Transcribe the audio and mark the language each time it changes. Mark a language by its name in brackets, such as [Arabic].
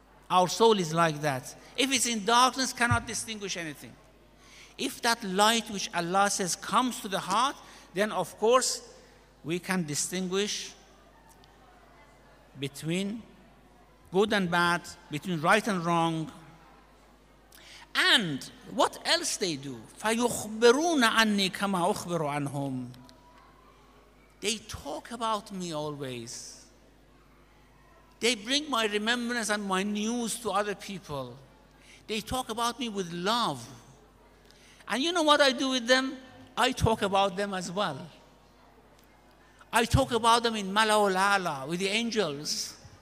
[English] Our soul is like that. If it's in darkness, cannot distinguish anything. If that light which Allah says comes to the heart, then of course we can distinguish between good and bad, between right and wrong. And what else they do? [Arabic] فَيُخْبِرُونَ عَنِّي كَمَا أُخْبِرُ عَنْهُمْ. [English] They talk about me always. They bring my remembrance and my news to other people. They talk about me with love. And you know what I do with them? I talk about them as well. I talk about them in Mala'ul A'la, with the angels.